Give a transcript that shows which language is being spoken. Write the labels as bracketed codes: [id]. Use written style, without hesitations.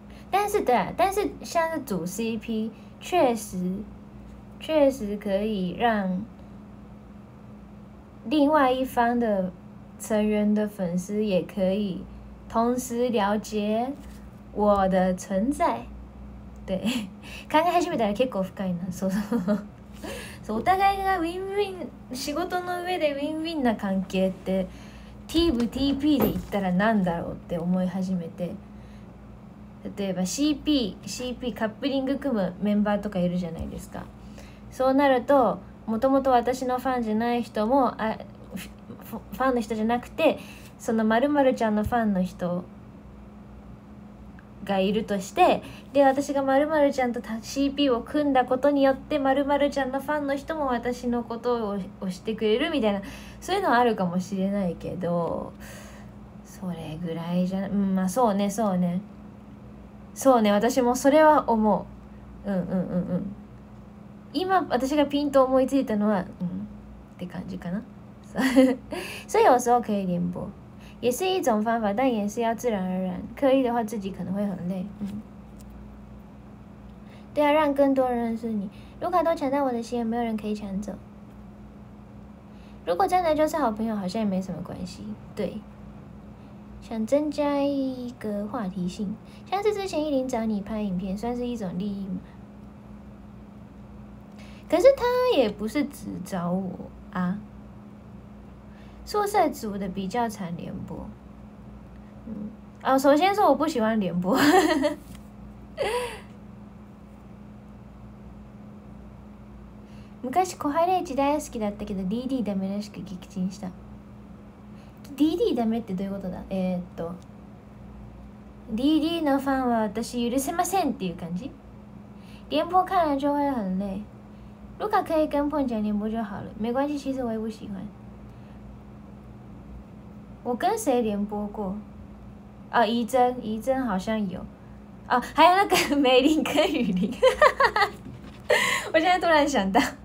[zh] 但是对啊，但是像是主 CP 确实可以让另外一方的成员的粉丝也可以同时了解我的存在。 [ja] 对，考え始めたら結構深いな。そうそう、お互いがウィンウィン、仕事の上でウィンウィンな関係って TVTP で言ったらなんだろうって思い始めて。例えば CP カップリング組むメンバーとかいるじゃないですか。そうなるともともと私のファンじゃない人も、あ、ファンの人じゃなくてその〇〇ちゃんのファンの人がいるとして、で私が〇〇ちゃんと CP を組んだことによって〇〇ちゃんのファンの人も私のことをしてくれるみたいな、そういうのはあるかもしれないけど、それぐらいじゃ、まあそうね、そうね、そうね、私もそれは思う。今私がピンと思いついたのは、って感じかな。 [zh] 所以有时候可以连播，也是一种方法，但也是要自然而然。刻意的话，自己可能会很累。对啊，让更多人认识你。如果都抢到我的心，也没有人可以抢走。如果真的就是好朋友，好像也没什么关系。对。想增加一个话题性，像是之前依林找你拍影片，算是一种利益吗？可是他也不是只找我啊，宿舍组的比较常联播。首先说我不喜欢联播。 [ja] 昔小春一大好きだったけど DD ダメらしく撃沈した。 DD ダメってどういうことだ。 DD のファンは私許せませんっていう感じ。 [zh] 連播看来就会很累。如果可以跟ポンちゃん連播就好了。没关系，其实我也不喜欢。我跟谁連播过？怡真好像有。还有那个美玲跟雨玲。我现在突然想到。